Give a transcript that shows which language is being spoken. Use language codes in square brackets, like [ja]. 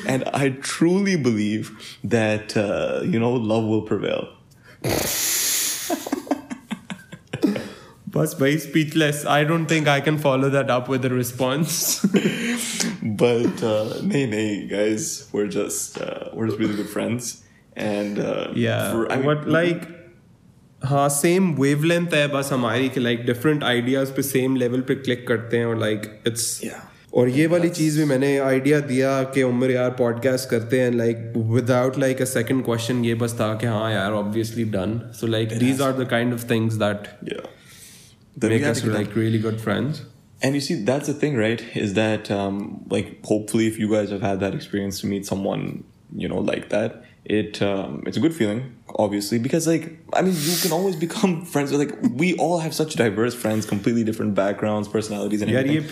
[en] And I truly believe that, love will prevail. [hi] Bas bhai, speechless. [en] I don't think I can follow that up with a response. But, nee, guys, we're just really good friends. And, [hi] हाँ same wavelength है बस हमारी कि like different ideas पे same level पे click करते हैं और लाइक इट्स और ये वाली चीज भी मैंने आइडिया दिया कि उमर यार पॉडकास्ट करते हैं like [en] without like a second question [hi] ये बस था कि हाँ यार obviously done [en] So like these are the kind of things that make us like really good friends And you see, that's the thing, right? Is that hopefully if you guys have had that experience to meet someone, like that, it's a good feeling, obviously, because you can always become friends with we all have such diverse friends, completely different backgrounds, personalities, and everything.